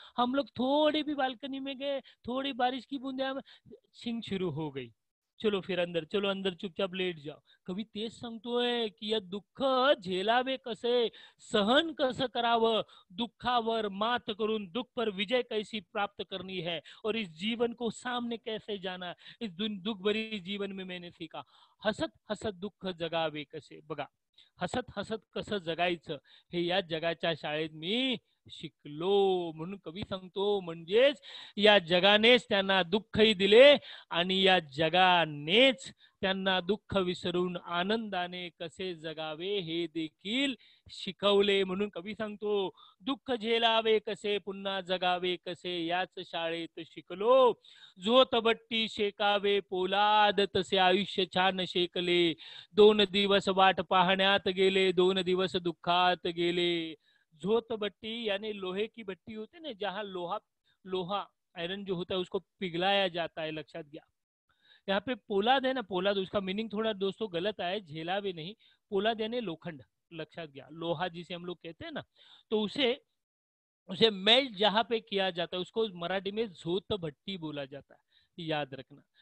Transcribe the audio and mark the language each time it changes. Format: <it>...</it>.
<hi>हम लोग थोड़े भी बालकनी में गए, थोड़ी बारिश की बूंदे हमें छींक शुरू हो गई, चलो फिर अंदर, चलो अंदर चुपचाप लेट जाओ। कवि तेज संगतो है कि यह</hi> <mr>दुख झेलावे कसे, सहन कस कराव, दुखावर मात करून</mr> <hi>दुख पर विजय कैसी प्राप्त करनी है, और इस जीवन को सामने कैसे जाना, इस दुख भरी जीवन में मैंने सीखा।</hi> <mr>हसत हसत दुख जगावे कसे, बगा हसत हसत कस जगाइच, हे या जगाच्या शाळेत मी शिकलो। म्हणून कवी सांगतो म्हणजेच या जगानेच त्यांना दुःखही दिले, आणि या जगानेच त्यांना दुःख विसरून आनंदाने कसे जगावे हे देखील शिकवले। म्हणून कवी सांगतो दुःख झेलावे कसे, पुन्हा जगावे कसे, याच शाळेत शिकलो। झोत भट्टी शेकावे पोलाद, तसे आयुष्य छान शेकले, दोन दिवस वाट पाहण्यात गेले, दोन दिवस दुःखात गेले।</mr> <hi>झोत भट्टी यानी लोहे की भट्टी होते ना, जहाँ लोहा लोहा आयरन जो होता है उसको पिघलाया जाता है, लक्षात गया। यहाँ पे पोलाद है ना, पोलाद उसका मीनिंग थोड़ा दोस्तों गलत आया, झेलावे नहीं, पोलाद यानी लोखंड, लक्षात गया, लोहा जिसे हम लोग कहते हैं ना, तो उसे उसे मेल्ट जहाँ पे किया जाता है उसको मराठी में झोत भट्टी बोला जाता है, याद रखना।</hi>